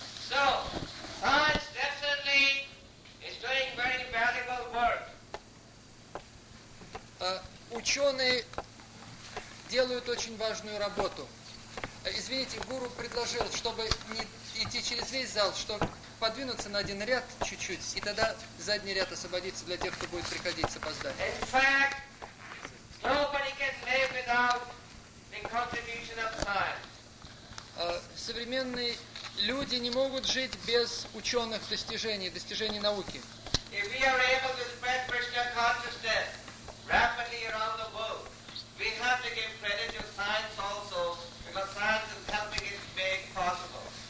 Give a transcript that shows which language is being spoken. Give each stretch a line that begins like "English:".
English: So, science definitely is doing very valuable work.
Russian: Ученые делают очень важную работу. Извините, гуру предложил, чтобы не идти через весь зал, чтобы подвинуться на один ряд чуть-чуть, и тогда задний ряд освободится для тех, кто будет приходить с опозданием.
English: In fact, nobody can live without the contribution of science.
Russian: Современные люди не могут жить без ученых достижений, достижений науки.
English: If we are able to spread Krishna consciousness rapidly around the world, we have to give credit to science also, because science is helping it make possible.